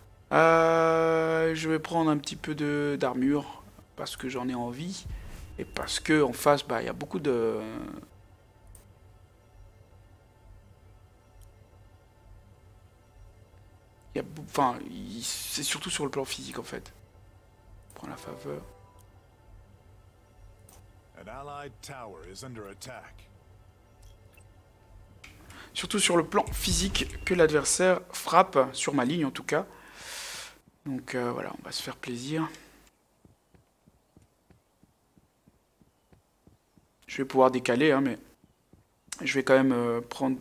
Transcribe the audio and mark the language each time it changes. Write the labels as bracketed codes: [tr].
[fr] Je vais prendre un petit peu d'armure parce que j'en ai envie. Et parce que en face, bah, y a beaucoup de... Enfin, c'est surtout sur le plan physique, en fait. On prend la faveur. [en] An allied tower is under attack. [fr] Surtout sur le plan physique que l'adversaire frappe, sur ma ligne en tout cas. Donc voilà, on va se faire plaisir. Je vais pouvoir décaler, hein, mais... Je vais quand même prendre...